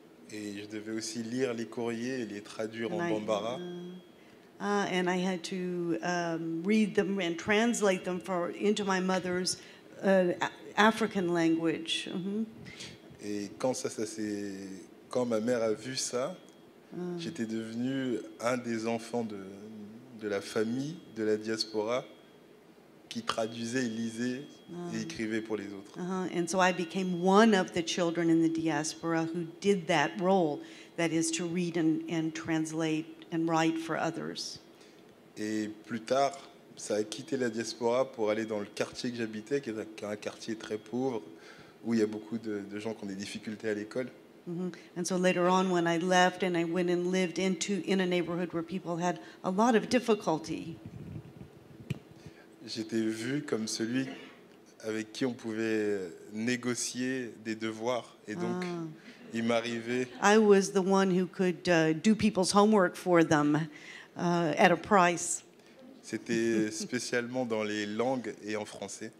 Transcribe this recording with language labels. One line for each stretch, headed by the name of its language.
French: Et je devais aussi lire les courriers et les traduire en bambara.
English: And I had to read them and translate them for into my mother's African language.
French: Et quand quand ma mère a vu ça, j'étais devenu un des enfants de la famille de la diaspora qui traduisait, lisait et écrivait pour les autres.
English: And so I became one of the children in the diaspora who did that role, that is to read and translate and write for others.
French: Et plus tard, ça a quitté la diaspora pour aller dans le quartier que j'habitais, qui est un quartier très pauvre, où il y a beaucoup de gens qui ont des difficultés à l'école.
English: And so later on, when I left and I went and lived in a neighborhood where people had a lot of difficulty.
French: J'étais vu comme celui avec qui on pouvait négocier des devoirs, et donc il m'arrivait.
English: I was the one who could do people's homework for them. At a price.
French: C'était spécialement dans les langues et en français.